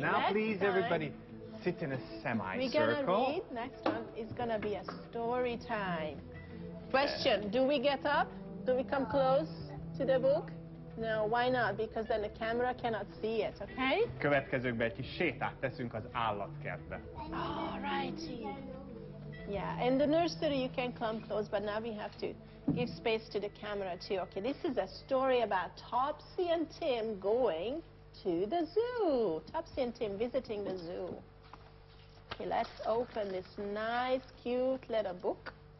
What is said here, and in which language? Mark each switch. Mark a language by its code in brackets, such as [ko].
[en] Now, please, everybody, sit in a semicircle. We're gonna read. Next one is gonna be a story time. Question: do we get up? Do we come close to the book? No, why not? Because then the camera cannot see it, okay? [hu] Következőkben egy kis sétát teszünk az állatkertbe. [en] Alrighty. Yeah, in the nursery you can come close, but now we have to give space to the camera too. Okay, this is a story about Topsy and Tim going to the zoo. Topsy and Tim visiting the zoo. Okay, let's open this nice, cute little book.